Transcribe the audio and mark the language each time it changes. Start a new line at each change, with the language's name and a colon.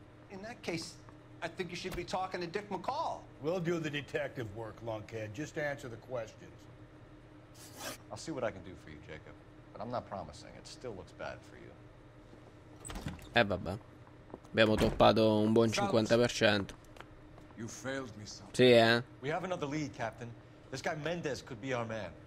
English: In that case, I think you should be talking to Dick McCall. We'll do the detective work, lunkhead. Just answer the questions. I'll see what I can do for you, Jacob. But I'm not promising. It still looks bad for you.
Italian: Vabbè. Abbiamo toppato un buon 50%.
English: You failed me, son.
Italian: Sì, eh?
English: We have another lead, Captain. This guy Mendez could be our man.